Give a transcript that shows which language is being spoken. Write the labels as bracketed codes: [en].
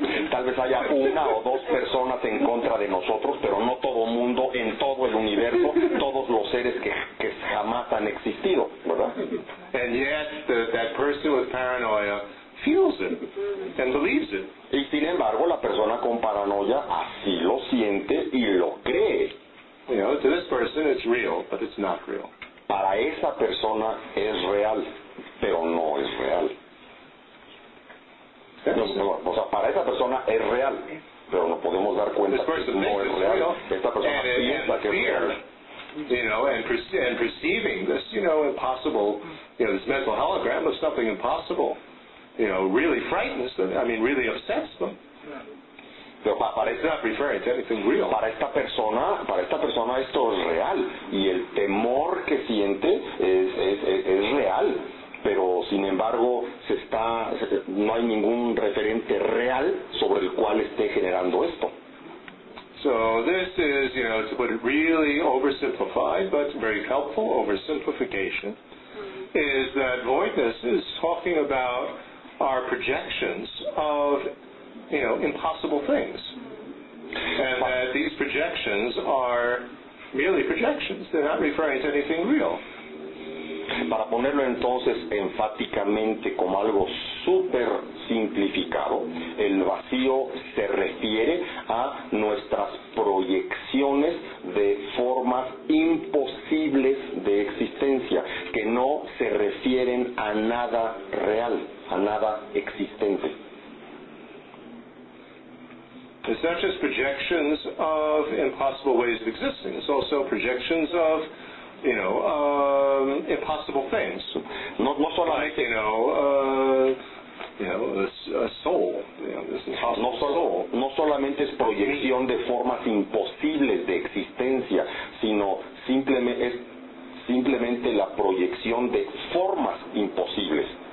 [es] Tal vez haya una o dos personas en contra de nosotros, pero no todo mundo en todo el universo, todos los seres que jamás han existido, ¿verdad? [en] And yet, that person with paranoia feels it and believes it. [es] Y sin embargo, la persona con paranoia así lo siente y lo cree. [en] You know, to this person it's real, but it's not real. [es] Para esa persona es real, pero no es real. Para esa persona es real, pero no podemos dar cuenta que no es real. Esta persona piensa que es real. [en] You know, and perceiving this, you know, impossible, you know, this mental hologram of something impossible, you know, really frightens them, I mean, really upsets them. [es] Pero para esta persona esto es real y el temor que siente es real, pero sin embargo no hay ningún referente real sobre el cual esté generando esto. [en] So this is, you know, to put it really oversimplified but very helpful oversimplification, is that voidness is talking about our projections of, you know, impossible things, and that these projections are merely projections. They're not referring to anything real. [es] Para ponerlo entonces enfáticamente como algo súper simplificado, el vacío se refiere a nuestras proyecciones de formas imposibles de existencia que no se refieren a nada real, a nada existente. [en] It's not just projections of impossible ways of existing. It's also projections of you know, impossible things. [es] No solamente es proyección de formas imposibles de existencia, sino simplemente la proyección de formas imposibles.